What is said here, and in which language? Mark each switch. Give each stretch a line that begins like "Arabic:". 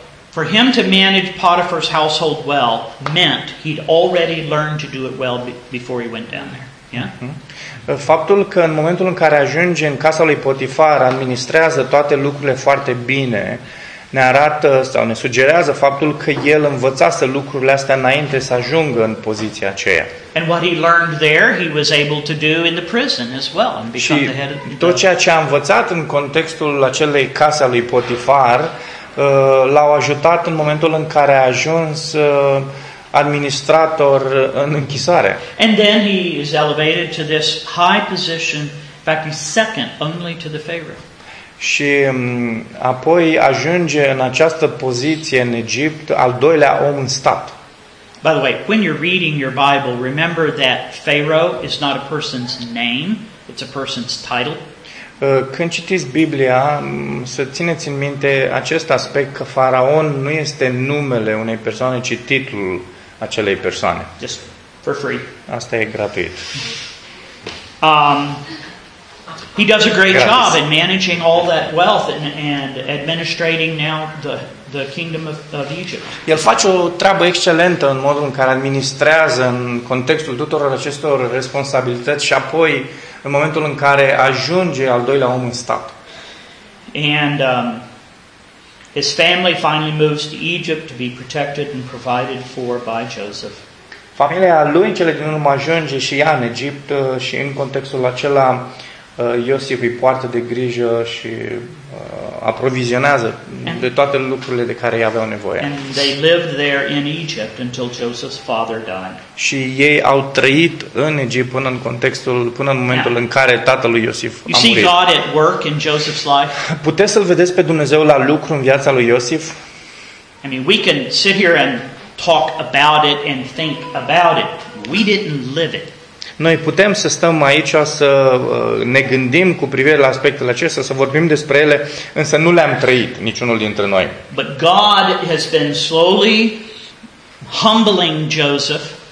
English: For him to manage Potiphar's household well meant he'd already learned to do it well before he went down there. Yeah?
Romanian: Faptul că în momentul în care ajunge în casa lui Potifar administrează toate lucrurile foarte bine ne arată sau ne sugerează faptul că el învățase lucrurile astea înainte să ajungă în poziția aceea.
English: And what he learned there, he was able to do in the prison as well and become the head of the...
Romanian: Tot ceea ce a învățat în contextul acelei case a lui Potifar, l-au ajutat în momentul în care a ajuns administrator în închisoare.
English: And then he is elevated to this high position, in fact he's second only to the Pharaoh.
Romanian: Și apoi ajunge în această poziție în Egipt, al doilea om în stat.
English: By the way, when you're reading your Bible, remember that Pharaoh is not a person's name, It's a person's title.
Romanian: Când citiți Biblia, să țineți în minte acest aspect că faraon nu este numele unei persoane, ci titlul acelei persoane.
English: Just for free.
Romanian: Asta e gratuit.
English: He does a great gratis job in managing all that wealth and administrating now the kingdom of Egypt.
Romanian: El face o treabă excelentă în modul în care administrează în contextul tuturor acestor responsabilități și apoi în momentul în care ajunge al doilea om în stat.
English: And his family finally moves to Egypt to be protected and provided for by Joseph.
Romanian: Familia lui în cele din urmă ajunge și ea în Egipt și în contextul acela Iosif îi poartă de grijă și aprovizionează de toate lucrurile de care ei aveau nevoie.
English: And they lived there in Egypt until Joseph's father died.
Romanian: Și ei au trăit în Egipt până în contextul, până în momentul în care tatăl lui Iosif a murit.
English: You see God at work in Joseph's life?
Romanian: Puteți să-l vedeți pe Dumnezeu la lucru în viața lui Iosif?
English: I mean, we can sit here and talk about it and think about it. We didn't live it.
Romanian: Noi putem să stăm aici să ne gândim cu privire la aspectele acestea, să vorbim despre ele, însă nu le-am trăit niciunul dintre noi.
English: But God has been slowly humbling Joseph.